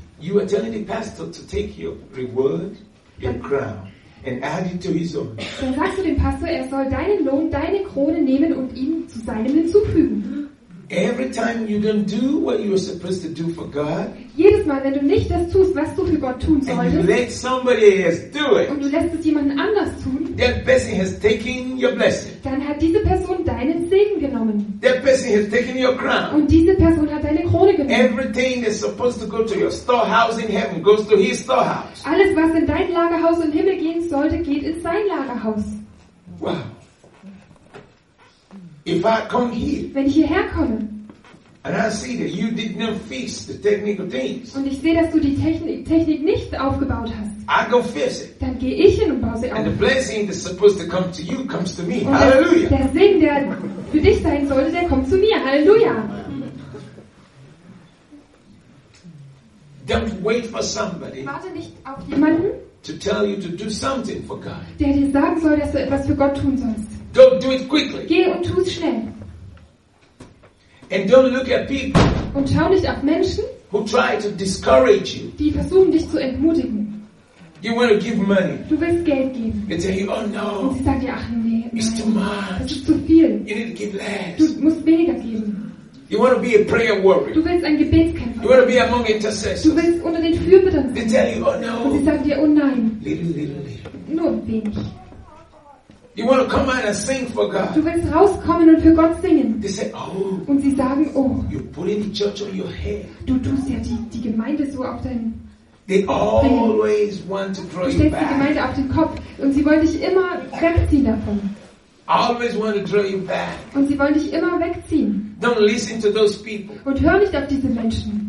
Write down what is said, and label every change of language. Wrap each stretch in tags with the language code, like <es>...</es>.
<en>you are telling the pastor to take your reward, your crown, and add it to his own.</en> <de>Dann sagst du dem Pastor, er soll deinen Lohn, deine Krone nehmen und ihm zu seinem hinzufügen.</de> <en>Every time you don't do what you are supposed to do for God,</en> <de>jedes Mal, wenn du nicht das tust, was du für Gott tun solltest,</de> <en>and you let somebody else do it,</en> <de>und du lässt es jemanden anders tun,</de> <en>that person has taken your blessing.</en> <de>Dann hat diese Person deinen Segen genommen.</de> <en>That person has taken your crown.</en> <de>Und diese Person hat deine Krone genommen.</de> <en>Everything that's supposed to go to your storehouse in heaven goes to his storehouse.</en> <de>Alles, was in dein Lagerhaus im Himmel gehen sollte, geht in sein Lagerhaus.</de> <en>Wow. If I come here,</en> <de>wenn ich hierher komme,</de> <en>and I see that you did not fix the technical things,</en> <de>und ich sehe, dass du die Technik nicht aufgebaut hast,</de> <en>I go fix it.</en> <de>Dann gehe ich hin und baue sie auf.</de> <en>And the blessing that's supposed to come to you comes to me. Hallelujah.</en> <de>Der Segen, der für dich sein sollte, der kommt zu mir.</de> <en>Hallelujah. Don't wait for somebody.</en> <de>Warte nicht auf jemanden,</de> <en>to tell you to do something for God.</en> <de>Der dir sagen soll, dass du etwas für Gott tun sollst.</de> <en>Don't do it quickly.</en> <de>Geh und tu es schnell.</de> <en>And don't look at people,</en> <de>und schau nicht auf Menschen,</de> <en>who try to discourage you.</en> <de>Die versuchen dich zu entmutigen.</de> <en>You want to give money.</en> <de>Du willst Geld geben.</de> <en>And say, oh, no.</en> <de>Und sie sagen dir, ach nee,</de> <en>it's too much.</en> <de>Das ist zu viel.</de> <en>You need to give less.</en> <de>Du musst weniger geben.</de> <en>You want to be a prayer warrior.</en> <de>Du willst ein Gebetskämpfer sein.</de> <en>You want to be among intercessors.</en> <de>Du willst unter den Fürbittern sein.</de> <en>They tell you, oh, no.</en> <de>Und sie sagen dir, oh nein.</de> <en>Little.</en> <de>Nur wenig.</de> <en>You want to come out and sing for God.</en> <de>Du willst rauskommen und für Gott singen.</de> <en>They say, oh,</en> <de>und sie sagen, oh,</de> <en>you put in the church on your head.</en> <de>Du tust ja die Gemeinde so auf deinen</de> <en>They always want to draw</en> <de>du stellst</de> <en>you back.</en> <de>Die Gemeinde auf den Kopf und sie wollen dich immer wegziehen davon.</de> <en>Always want to draw you back.</en> <de>Und sie wollen dich immer wegziehen.</de> <en>Don't listen to those people.</en> <de>Und hör nicht auf diese Menschen.</de>